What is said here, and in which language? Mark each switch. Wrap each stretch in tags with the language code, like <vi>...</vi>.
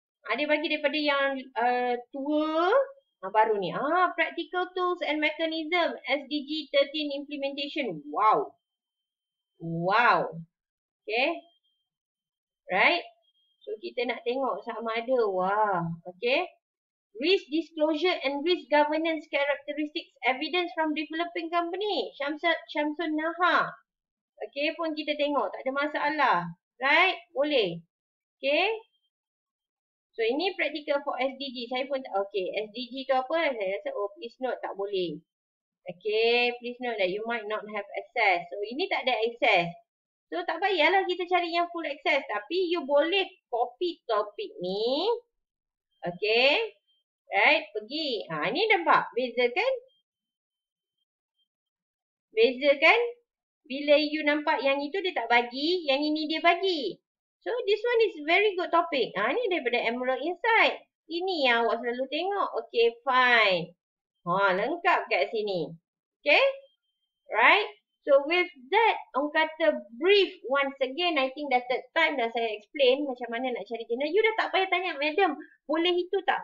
<ms>Ada bagi daripada yang tua. Baru ni.</ms> <en>Practical tools and mechanism. SDG 13 implementation. Wow. Wow. Okay. Right?</en> <ms>So, kita nak tengok sama ada. Wah. Okay.</ms> <en>Risk disclosure and risk governance characteristics. Evidence from developing company.</en> <ms>Shamsun Naha. Okay. Pun kita tengok. Tak ada masalah. Right? Boleh. Okay. So, ini practical for SDG. Saya pun tak. Okay. SDG tu apa? Saya rasa,</ms> <en>oh please note.</en> <ms>Tak boleh. Okay.</ms> <en>Please note that you might not have access.</en> <ms>So, ini tak ada access. So tak payahlah kita cari yang full access. Tapi you boleh copy topik ni. Okay. Right. Pergi. Ni nampak. Beza kan? Beza kan? Bila you nampak yang itu dia tak bagi. Yang ini dia bagi.</ms> <en>So this one is very good topic.</en> <ms>Ni daripada Emerald Insight. Ini yang awak selalu tengok.</ms> <en>Okay fine.</en> <ms>Lengkap kat sini.</ms> <en>Okay. Right. So with that,</en> <ms>orang kata</ms> <en>brief once again, I think that's the time</en> <ms>dah saya explain macam mana nak cari jurnal. You dah tak payah tanya, madam boleh itu tak?</ms>